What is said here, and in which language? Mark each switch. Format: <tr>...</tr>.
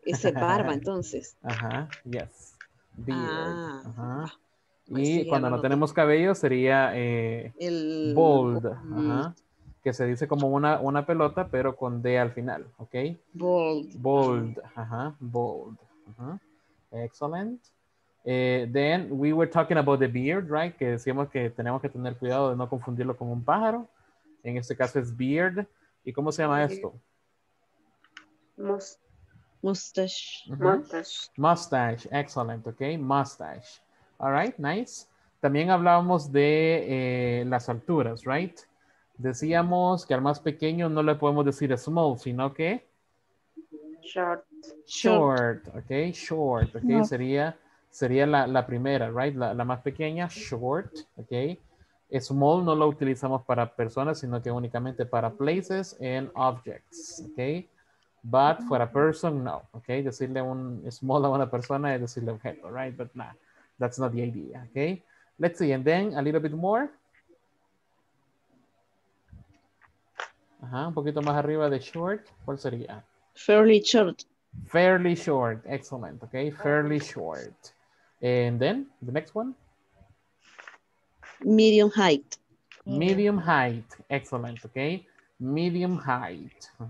<es>Ese barba, entonces.</es> <en>Ajá, uh-huh, yes. Beard. Uh-huh.</en> <es>Pues y sí, cuando no tenemos cabello sería bold. Uh-huh. Uh-huh. Que se dice como una pelota, pero con D al final, ¿ok?</es> <en>Bold. Bold, ajá, uh-huh. Bold. Uh-huh. Excellent. Then we were talking about the beard, right?</en> <es>Que decíamos que tenemos que tener cuidado de no confundirlo con un pájaro. En este caso es beard. ¿Y cómo se llama esto?</es> <en>Mustache. Uh-huh. Mustache, excellent, ok, mustache. All right, nice.</en> <es>También hablábamos de las alturas, right? Decíamos que al más pequeño no le podemos decir small, sino que...</es> <en>Short. Short, ok, short, ok,</en> <es>no. sería la primera,</es> <en>right?</en> <es>La más pequeña, short, ok. Small no lo utilizamos para personas, sino que únicamente para</es> <en>places and objects,</en> <es>¿ok?</es> <en>But for a person,</en> <es>no, ¿ok? Decirle un small a una persona es decirle objeto, right?</es> <en>But nah, that's not the idea, ¿ok? Let's see, and then a little bit more.</en> <es>Ajá, un poquito más arriba de short, ¿cuál sería?</es> <en>Fairly short. Fairly short, excellent, ¿ok? Fairly short. And then, the next one. Medium height. Medium height. Excellent. Okay. medium height.</en>